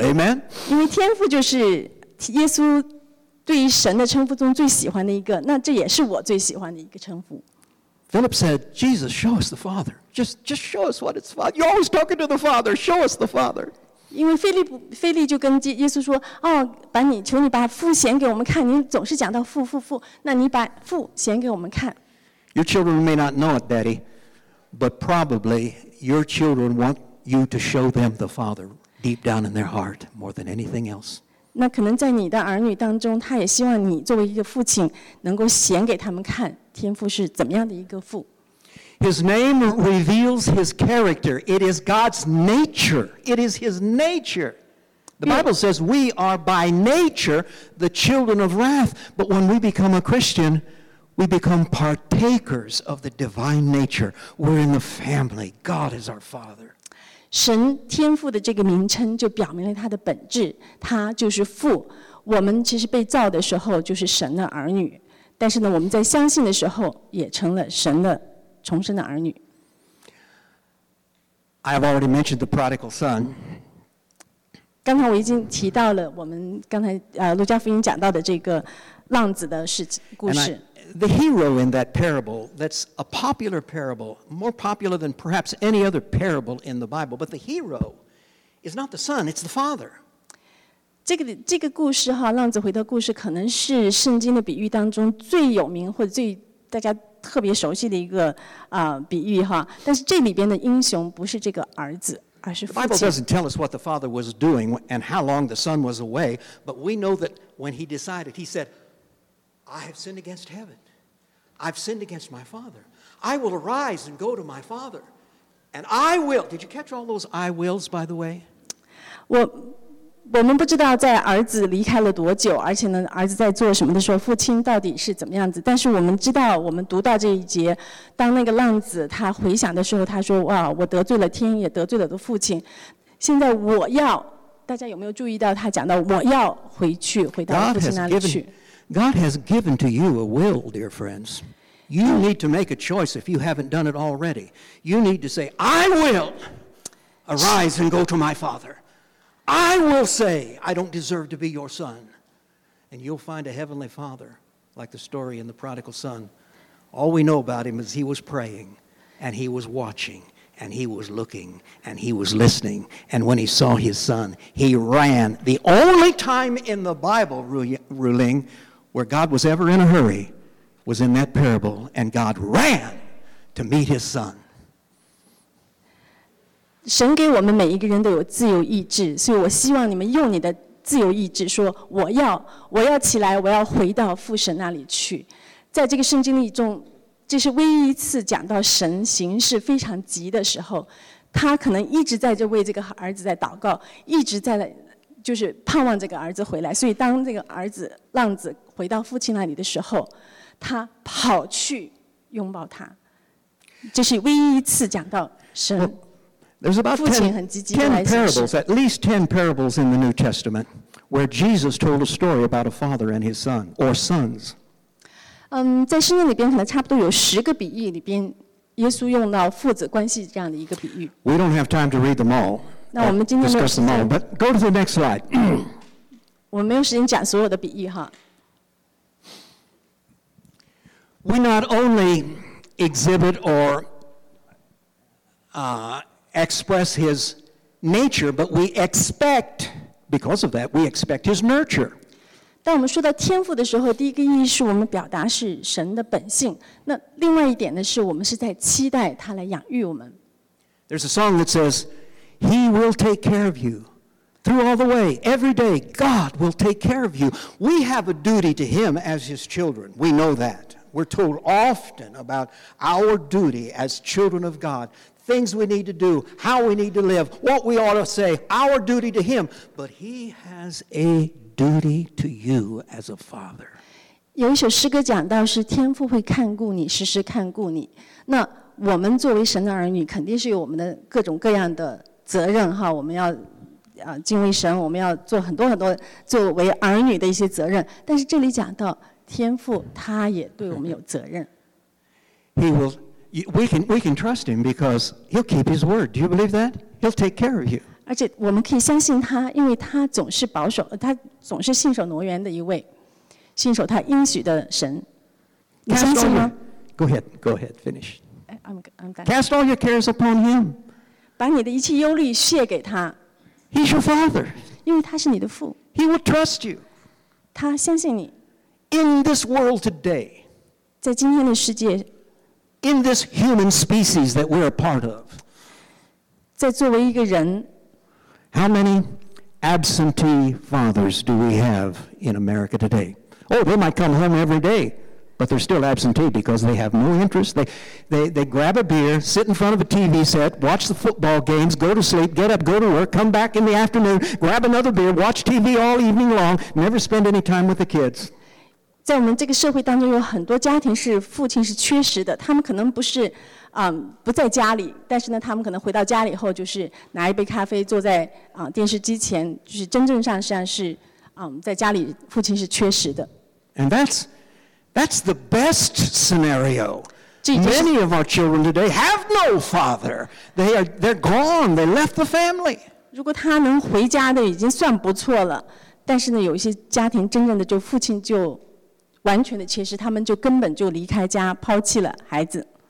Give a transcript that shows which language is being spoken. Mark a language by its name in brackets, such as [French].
[English] Amen. [Chinese] 因为天父就是耶稣对于神的称呼中最喜欢的一个，那这也是我最喜欢的一个称呼。 [English] Philip said, "Jesus, show us the Father. Just show us what it's Father. You're always talking to the Father. Show us the Father." [Chinese] 因为菲利就跟耶稣说，哦，把你求你把父显给我们看。你总是讲到父父父，那你把父显给我们看。 [English] Your children may not know it, Daddy, but probably your children want you to show them the Father deep down in their heart more than anything else. [Chinese] 那可能在你的儿女当中，他也希望你作为一个父亲能够显给他们看。天父是怎么样的一个父？ [English] His name reveals his character. It is God's nature. It is his nature. The Bible says we are by nature the children of wrath. But when we become a Christian, we become partakers of the divine nature. We're in the family. God is our Father. [Chinese] 神天父的这个名称就表明了他的本质，他就是父。我们其实被造的时候就是神的儿女。但是呢，我们在相信的时候，也成了神的重生的儿女。 [English] I have already mentioned the prodigal son. [Chinese] 刚才我已经提到了我们刚才路加福音讲到的这个浪子的故事。 The hero in that parable, that's a popular parable, more popular than perhaps any other parable in the Bible, but the hero is not the son, it's the father. 这个故事哈，浪子回头故事，可能是圣经的比喻当中最有名或者最大家特别熟悉的一个比喻哈。但是这里边的英雄不是这个儿子，而是父亲。 [English] The Bible doesn't tell us what the father was doing and how long the son was away, but we know that when he decided, he said, "I have sinned against heaven. I've sinned against my father. I will arise and go to my father, and I will." Did you catch all those "I wills"? By the way, [Chinese] 我们不知道在儿子离开了多久，而且呢，儿子在做什么的时候，父亲到底是怎么样子？但是我们知道，我们读到这一节，当那个浪子他回想的时候，他说：“哇，我得罪了天，也得罪了我的父亲。现在我要……”大家有没有注意到他讲到我要回去，回到父亲那里去 [English] ？God has given to you a will, dear friends. You need to make a choice if you haven't done it already. You need to say, "I will arise and go to my father." I will say, "I don't deserve to be your son." And you'll find a heavenly father, like the story in the prodigal son. All we know about him is he was praying, and he was watching, and he was looking, and he was listening. And when he saw his son, he ran. The only time in the Bible, Ruling, where God was ever in a hurry was in that parable, and God ran to meet his son. [Chinese] 神给我们每一个人都有自由意志，所以我希望你们用你的自由意志说，我要起来，我要回到父神那里去。在这个圣经里中，这是唯一一次讲到神行事非常急的时候，他可能一直在这为这个儿子在祷告，一直在就是盼望这个儿子回来。所以当这个儿子浪子回到父亲那里的时候，他跑去拥抱他，这是唯一一次讲到神。 [English] There's about ten parables, at least 10 parables in the New Testament, where Jesus told a story about a father and his son, or sons. [Chinese] 在圣经里边可能差不多有十个比喻里边，耶稣用到父子关系这样的一个比喻。 [English] We don't have time to read them all. [Chinese] 那我们今天没有时间。 [English] But go to the next slide. [Chinese] 我们没有时间讲所有的比喻哈。 [English] We not only exhibit or express his nature, but we expect, because of that, we expect his nurture. [Chinese] 当我们说到天父的时候，第一个意义是我们表达是神的本性。那另外一点呢，是我们是在期待他来养育我们。 [English] There's a song that says, "He will take care of you through all the way, every day. God will take care of you." We have a duty to him as his children. We know that. We're told often about our duty as children of God. Things we need to do, how we need to live, what we ought to say, our duty to him. But he has a duty to you as a father. [Chinese] 有一首诗歌讲到是天父会看顾你，时时看顾你。那我们作为神的儿女，肯定是有我们的各种各样的责任哈。我们要敬畏神，我们要做很多很多作为儿女的一些责任。但是这里讲到天父，他也对我们有责任。 [English] He will. We can trust him because he'll keep his word. Do you believe that? He'll take care of you. [Chinese] 而且我们可以相信他，因为他总是保守，他总是信守挪言的一位，信守他应许的神。你相信吗？ [English] Go ahead, finish. I'm done. Cast all your cares upon him. [Chinese] 把你的一切忧虑卸给他。 [English] He's your father. [Chinese] 因为他是你的父。 [English] He will trust you. [Chinese] 他相信你。 [English] In this world today. [Chinese] 在今天的世界。 [English] In this human species that we're a part of, [Chinese] 在作为一个人 [English] how many absentee fathers do we have in America today? Oh, they might come home every day, but they're still absentee because they have no interest. They grab a beer, sit in front of a TV set, watch the football games, go to sleep, get up, go to work, come back in the afternoon, grab another beer, watch TV all evening long, never spend any time with the kids. [Chinese] 在我们这个社会当中，有很多家庭是父亲是缺失的。他们可能不是，不在家里，但是呢，他们可能回到家里以后，就是拿一杯咖啡，坐在电视机前，就是真正上实际上是，在家里父亲是缺失的。 [English] And that's the best scenario. Many of our children today have no father. They're gone. They left the family. [Chinese] 如果他能回家的已经算不错了，但是呢，有一些家庭真正的就父亲就。完全的缺失，他们就根本就离开家，抛弃了孩子。